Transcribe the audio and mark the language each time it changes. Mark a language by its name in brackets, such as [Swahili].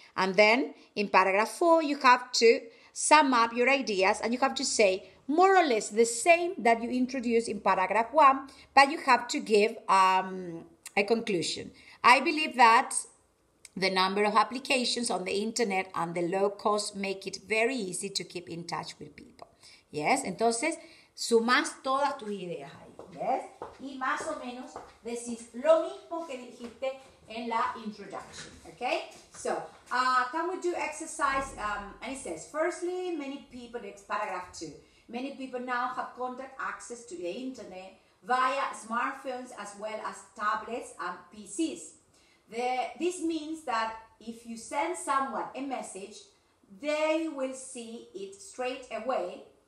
[English] And then in paragraph 4, you have to sum up your ideas and you have to say more or less the same that you introduced in paragraph 1, but you have to give a conclusion. I believe that the number of applications on the internet and the low cost make it very easy to keep in touch with people. Yes, [Spanish] entonces, sumas todas tus ideas. Yes. Y más o menos decís lo mismo que dijiste en la introduction. [English] Okay? So, can we do exercise? And it says, firstly, many people, it's paragraph 2, many people now have contact access to the internet via smartphones as well as tablets and PCs. This means that if you send someone a message, they will see it straight away.